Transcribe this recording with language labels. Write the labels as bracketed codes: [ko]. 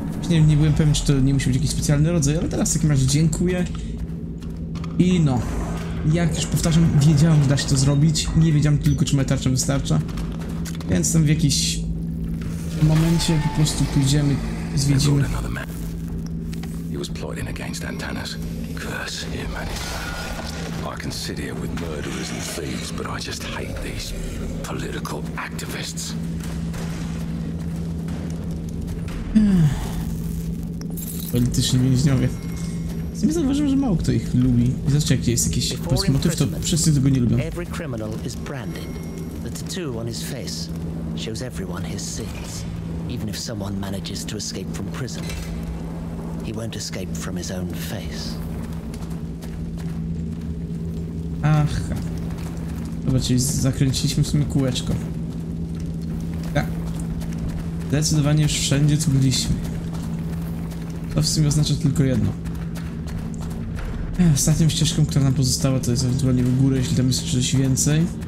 [pl] Nie, nie byłem pewien, czy to nie musi być jakiś specjalny rodzaj, ale teraz w takim razie dziękuję. I no, jak już powtarzam, wiedziałem, że da się to zrobić, nie wiedziałem tylko, czy moja tarcza wystarcza. Więc tam w jakiś momencie po prostu pójdziemy, zwiedzimy. [en] He was plotting against Antanas. Curse him and his family. I can sit here with murderers and thieves, but I just hate these political activists. [pl] Polityczni więźniowie. Nie zauważyłem, że mało kto ich lubi. I zobaczcie, jak jest jakiś polski motyw, to wszyscy tego nie lubią. [en] Every criminal is branded. The tattoo on his face shows everyone his sins. Even if someone manages to escape from prison, he won't escape from his own face. Aha. [pl] Zobaczcie, zakręciliśmy w sumie kółeczko. Tak. Zdecydowanie już wszędzie tu byliśmy. To w sumie oznacza tylko jedno. Ostatnią ścieżką, która nam pozostała, to jest ewentualnie w górę, jeśli tam jest coś więcej.